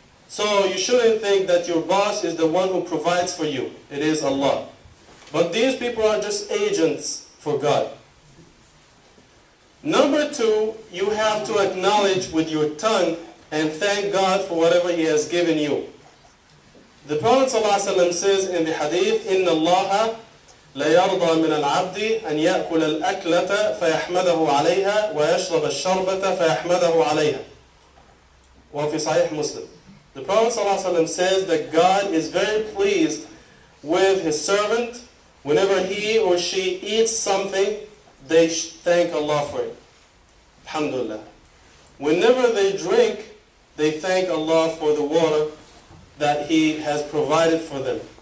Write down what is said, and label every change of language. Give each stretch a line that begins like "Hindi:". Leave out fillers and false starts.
English: So you shouldn't think that your boss is the one who provides for you. It is Allah. But these people are just agents for God. Number two, you have to acknowledge with your tongue and thank God for whatever He has given you. The Prophet ﷺ says in the hadith,
Arabic: إِنَّ اللَّهَ لَيَرْضَى مِنَ الْعَبْدِ أَنْ يَأْكُلَ الْأَكْلَةَ فَيَحْمَدَهُ عَلَيْهَا وَيَشْرَبَ الشَّرْبَةَ فَيَحْمَدَهُ عَلَيْهَا. وَفِي صَحِيح مُسْلِم.
English: The Prophet ﷺ says that God is very pleased with His servant whenever he or she eats something, they thank Allah for it. Alhamdulillah. Whenever they drink, they thank Allah for the water that He has provided for them.